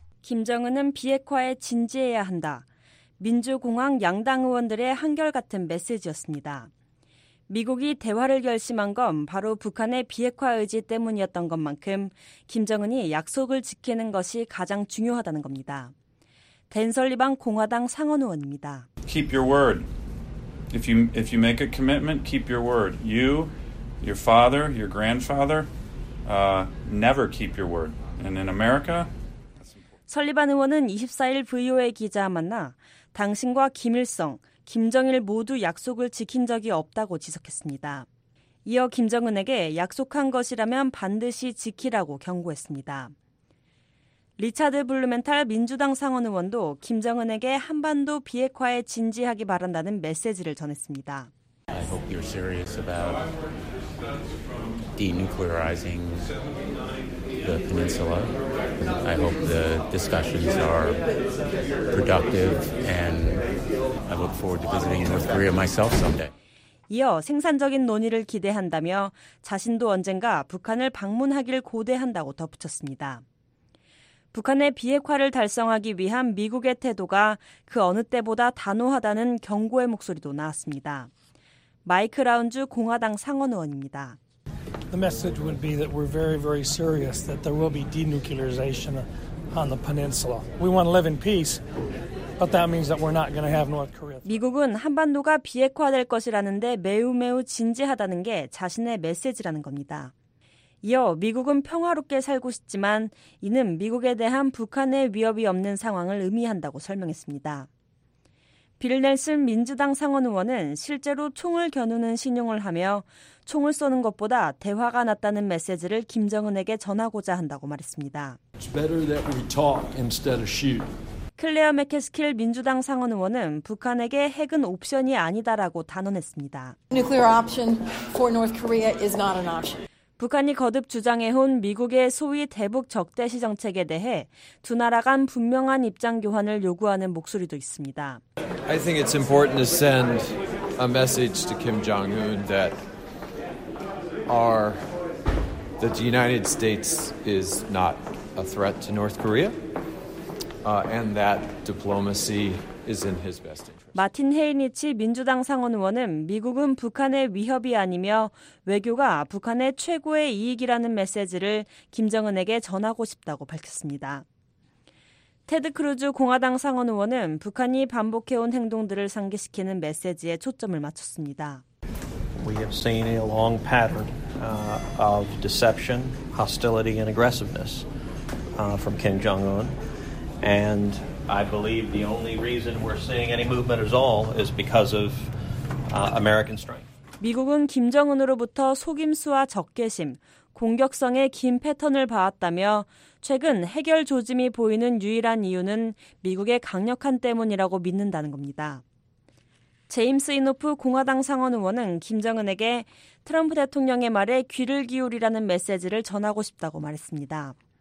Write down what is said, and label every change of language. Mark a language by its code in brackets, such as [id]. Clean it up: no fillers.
[ko] 김정은은 비핵화에 진지해야 한다. 민주공항 양당 의원들의 한결같은 메시지였습니다. 미국이 대화를 결심한 건 바로 북한의 비핵화 의지 때문이었던 것만큼 김정은이 약속을 지키는 것이 가장 중요하다는 겁니다. 댄 설리반 공화당 상원 의원입니다. [en] Keep your word. If you make a commitment, keep your word. You, your father, your grandfather, never keep your word. And in America, [ko] 설리반 의원은 24일 VOA 기자와 만나 당신과 김일성, 김정일 모두 약속을 지킨 적이 없다고 지적했습니다. 이어 김정은에게 약속한 것이라면 반드시 지키라고 경고했습니다. 리차드 블루멘탈 민주당 상원 의원도 김정은에게 한반도 비핵화에 진지하기 바란다는 메시지를 전했습니다. [en] I hope you're serious about denuclearizing the peninsula. I hope the discussions are productive and I look forward to visiting North Korea myself someday. [ko] 이어 생산적인 논의를 기대한다며 자신도 언젠가 북한을 방문하기를 고대한다고 덧붙였습니다. 북한의 비핵화를 달성하기 위한 미국의 태도가 그 어느 때보다 단호하다는 경고의 목소리도 나왔습니다. 마이크 라운주 공화당 상원 의원입니다. [en] The message would be that we're very, very serious that there will be denuclearization on the peninsula. We want to live in peace, but that means that we're not going to have North Korea. [ko] 미국은 한반도가 비핵화될 것이라는데 매우 매우 진지하다는 게 자신의 메시지라는 겁니다. 이어 미국은 평화롭게 살고 싶지만 이는 미국에 대한 북한의 위협이 없는 상황을 의미한다고 설명했습니다. 빌 넬슨 민주당 상원 의원은 실제로 총을 겨누는 신용을 하며 총을 쏘는 것보다 대화가 낫다는 메시지를 김정은에게 전하고자 한다고 말했습니다. [en] It's better that we talk instead of shoot. [ko] 클레어 맥캐스킬 민주당 상원 의원은 북한에게 핵은 옵션이 아니다라고 단언했습니다. [en] Nuclear option for North Korea is not an option. [ko] 북한이 거듭 주장해온 미국의 소위 대북 적대시 정책에 대해 두 나라 간 분명한 입장 교환을 요구하는 목소리도 있습니다. [en] I think it's important to send a message to Kim Jong-un that the United States is not a threat to North Korea and that diplomacy is in his best interest. [ko] 마틴 헤이니치 민주당 상원 의원은 미국은 북한의 위협이 아니며 외교가 북한의 최고의 이익이라는 메시지를 김정은에게 전하고 싶다고 밝혔습니다. 테드 크루즈 공화당 상원 의원은 북한이 반복해온 행동들을 상기시키는 메시지에 초점을 맞췄습니다. [en] We have seen a long pattern of deception, hostility and aggressiveness from Kim Jong-un and I believe the only reason we're seeing any movement at all is because of American strength. [ko] 미국은 김정은으로부터 속임수와 적개심, 공격성의 긴 패턴을 봐왔다며 최근 해결 조짐이 보이는 유일한 이유는 미국의 강력함 때문이라고 믿는다는 겁니다. 제임스 이노프 공화당 상원 의원은 김정은에게 트럼프 대통령의 말에 귀를 기울이라는 메시지를 전하고 싶다고 말했습니다.